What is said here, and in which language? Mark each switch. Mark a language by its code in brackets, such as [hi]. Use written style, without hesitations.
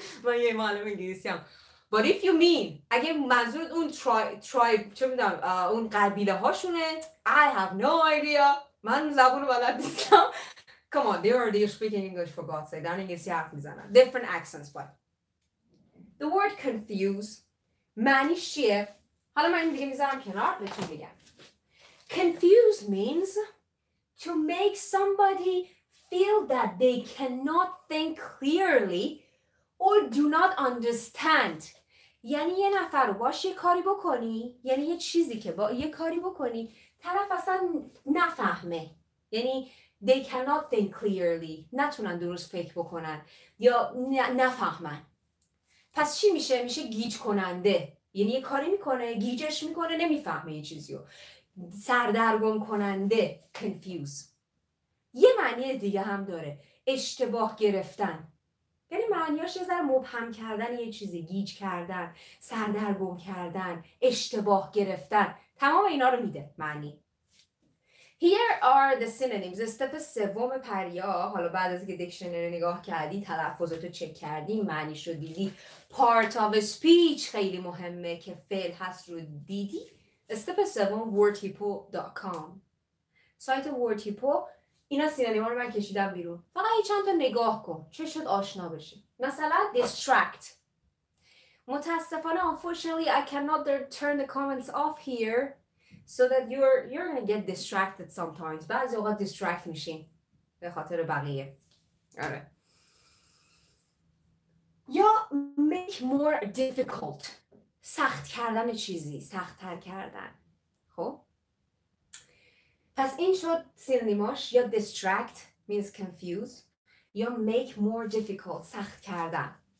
[fa] من یه معلم انگلیسی هم. [en] But if you mean، [fa] اگه منظورت اون tribe چه میدونم اون قبیله هاشونه، [en] I have no idea. [fa] من زبون رو بلد نیستم. [en] Come on, they're speaking English for God's sake. [fa] دارن انگلیسی حرف میزنن. [en] Different accents but. The word confuse [fa] معنیش چیه؟ حالا من این دیگه میذارم کنار بهتون بگم. [en] Confuse means to make somebody feel that they cannot think clearly or do not understand. [fa] یعنی یه نفر باش یه کاری بکنی، یعنی یه چیزی که با یه کاری بکنی طرف اصلا نفهمه، یعنی [en] they cannot think clearly، [fa] نتونن درست فکر بکنن یا نفهمن. پس چی میشه؟ میشه گیج کننده، یعنی یه کاری میکنه گیجش میکنه نمیفهمه یه چیزیو، سردرگم کننده. confuse یه معنی دیگه هم داره، اشتباه گرفتن. یعنی معنیاش یه ذره مبهم کردن یه چیزی، گیج کردن، سردرگم کردن، اشتباه گرفتن، تمام اینا رو میده معنی. [en] Here are the synonyms. [fa] استپ سوم پریا، حالا بعد از اینکه دیکشنری نگاه کردی، تلفظتو چک کردی، معنیشو دیدی، [en] part of a speech [fa] خیلی مهمه که فعل هست رو دیدی. استپ سوم wordhippo.com، سایت wordhippo. اینا سینانیما رو من کشیدم بیرون. فقط یه چند تا نگاه کن چه شد آشنا بشه. مثلا distract. متاسفانه [en] unfortunately I cannot turn the comments off here so that you're gonna get distracted sometimes. [fa] بعضی اوقات distract میشین به خاطر بقیه. آره. یا [en] make more difficult، [fa] سخت کردن چیزی، سخت تر کردن. خب پس این شد سینونیماش. یا [en] distract means confuse، [fa] یا [en] make more difficult [fa] سخت کردن.